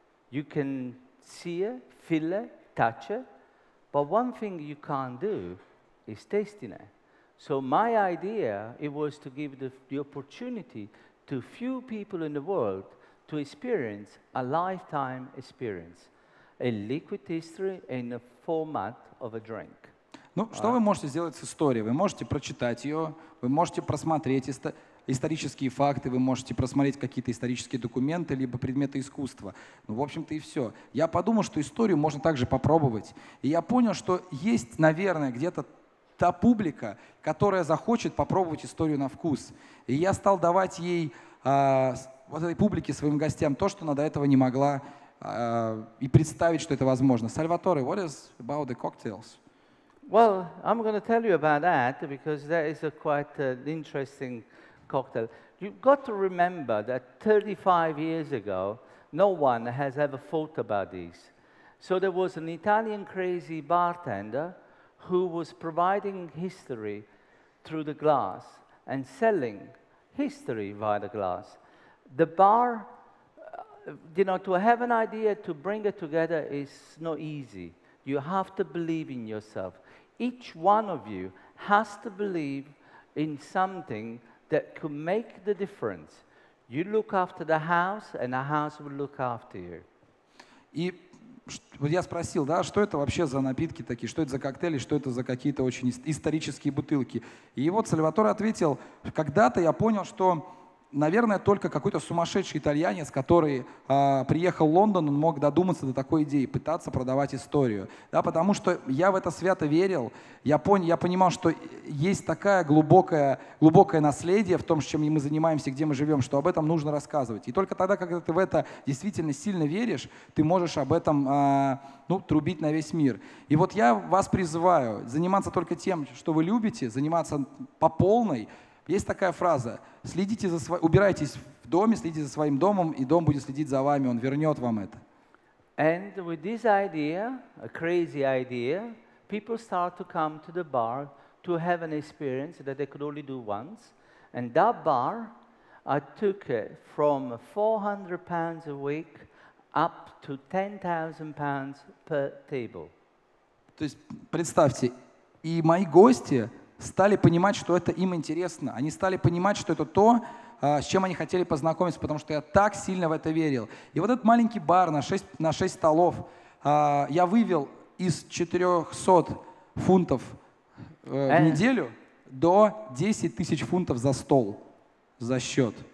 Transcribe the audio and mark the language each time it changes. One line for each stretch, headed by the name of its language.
English: You can see it, feel it, touch it, but one thing you can't do is tasting it. So my idea, it was to give the opportunity to few people in the world to experience a lifetime experience, a liquid history in the format of a drink. Ну, right?
Russian: Что вы можете сделать с историей? Вы можете прочитать ее, вы можете просмотреть исторические факты, вы можете просмотреть какие-то исторические документы либо предметы искусства. Ну, в общем-то, и все. Я подумал, что историю можно также попробовать. И я понял, что есть, наверное, где-то та публика, которая захочет попробовать историю на вкус. И я стал давать ей, вот этой публике, своим гостям, то, что она до этого не могла и представить, что это возможно.
English: Salvatore, what is about the cocktails? Well, I'm going to tell you about that, because that is a quite interesting cocktail. You've got to remember that 35 years ago, no one has ever thought about this. So there was an Italian crazy bartender who was providing history through the glass, and selling history via the glass. The bar, you know, to have an idea, to bring it together is not easy. You have to believe in yourself. Each one of you has to believe in something that could make the difference. You look after the house, and the house will look after you.
Russian: И вот я спросил, да, что это вообще за напитки такие, что это за коктейли, что это за какие-то очень исторические бутылки. И вот Сальваторе ответил, когда-то я понял, что, наверное, только какой-то сумасшедший итальянец, который приехал в Лондон, он мог додуматься до такой идеи, пытаться продавать историю. Да, потому что я в это свято верил, я понимал, что есть такое глубокое наследие в том, чем мы занимаемся, где мы живем, что об этом нужно рассказывать. И только тогда, когда ты в это действительно сильно веришь, ты можешь об этом трубить на весь мир. И вот я вас призываю заниматься только тем, что вы любите, заниматься по полной. Есть такая фраза: следите за убирайтесь в доме, следите за своим домом, и дом будет следить за вами, он вернет вам это.
English: And with this idea, a crazy idea, people start to come to the bar to have an experience that they could only do once. And that bar, I took it from £400 a week up to £10,000 per table.
Russian: То есть представьте, и мои гости стали понимать, что это им интересно. Они стали понимать, что это то, с чем они хотели познакомиться, потому что я так сильно в это верил. И вот этот маленький бар на 6 столов я вывел из 400 фунтов в неделю до 10 тысяч фунтов за стол, за счет.